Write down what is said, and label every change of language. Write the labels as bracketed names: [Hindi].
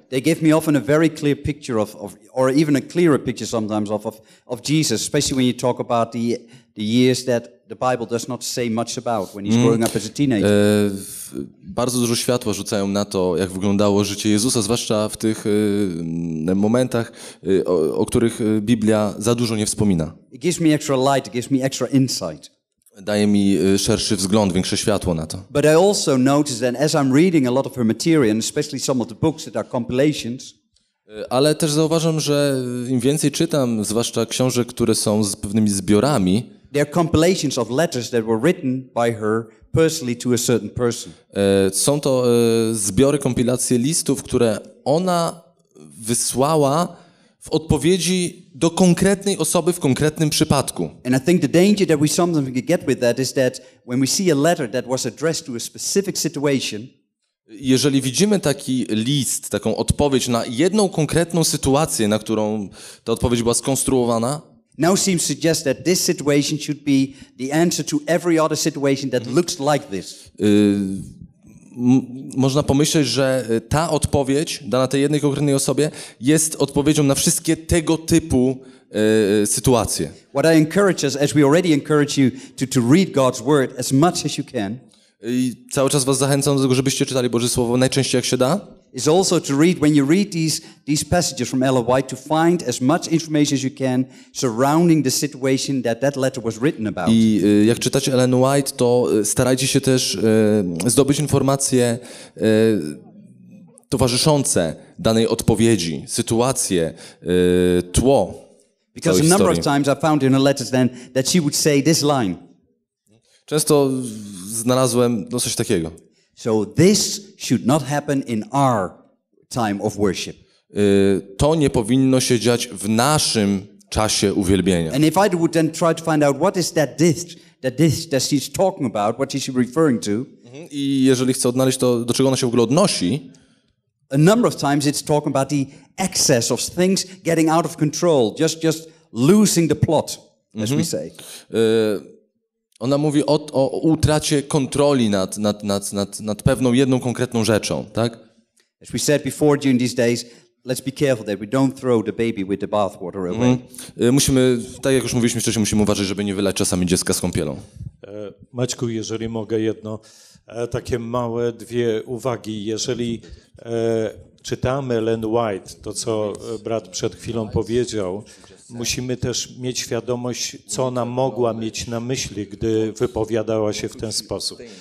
[English] They give me often a very clear picture of or even a clearer picture sometimes of Jesus, especially when you talk about the years that the Bible does not say much about when he's growing up as a teenager. [Polish] Bardzo dużo światła rzucają na to, jak wyglądało życie Jezusa, zwłaszcza w tych momentach, o których Biblia za dużo nie wspomina. [English] It gives me extra light, it gives me extra insight. [Polish] Daje mi szerszy wzgląd, większe światło na to. [English] But I also notice that as I'm reading a lot of her material, and especially some of the books that are compilations. [Polish] Ale też zauważam, że im więcej czytam, zwłaszcza książek, które są z pewnymi zbiorami, [English] they are compilations of letters that were written by her personally to a certain person. [Polish] Są to zbiory, kompilacje listów, które ona wysłała w odpowiedzi do konkretnej osoby w konkretnym przypadku. [English] And I think the danger that we sometimes get with that is that when we see a letter that was addressed to a specific situation. [Polish] Jeżeli widzimy taki list, taką odpowiedź na jedną konkretną sytuację, na którą ta odpowiedź była skonstruowana. [English] Now seems to suggest that this situation should be the answer to every other situation that looks like this. [Polish] Można pomyśleć, że ta odpowiedź dana tej jednej konkretnej osobie jest odpowiedzią na wszystkie tego typu sytuacje. [English] What I encourage us, as we already encourage you, to read God's word as much as you can. [Polish] I cały czas was zachęcam do tego, żebyście czytali Boże Słowo najczęściej jak się da. [English] Is also to read when you read these passages from Ellen White to find as much information as you can surrounding the situation that letter was written about. [Polish] I jak czytacie Ellen White, to starajcie się też zdobyć informacje towarzyszące danej odpowiedzi, sytuację, tło. [English] Because a number of times I found in her letters then that she would say this line. [Polish] Często znalazłem coś takiego. [English] So this should not happen in our time of worship. [Polish] To nie powinno się dziać w naszym czasie uwielbienia. [English] And if I would then try to find out what is that this that she's talking about, what is she referring to? [Polish] I jeżeli chcę odnaleźć to, do czego ona się w ogóle odnosi? [English] A number of times it's talking about the excess of things getting out of control, just losing the plot, as we say. [Polish] Ona mówi o utracie kontroli nad pewną jedną konkretną rzeczą, tak? [English] As we said before during these days, let's be careful that we don't throw the baby with the bathwater away. [Polish] Musimy, tak jak już mówiliśmy wcześniej, musimy uważać, żeby nie wylać czasami dziecka z kąpielą. Maćku, jeżeli mogę jedno, takie małe dwie uwagi. Jeżeli czytamy Ellen White, to co brat przed chwilą powiedział, musimy też mieć świadomość, co ona mogła mieć na myśli, gdy wypowiadała się w ten sposób.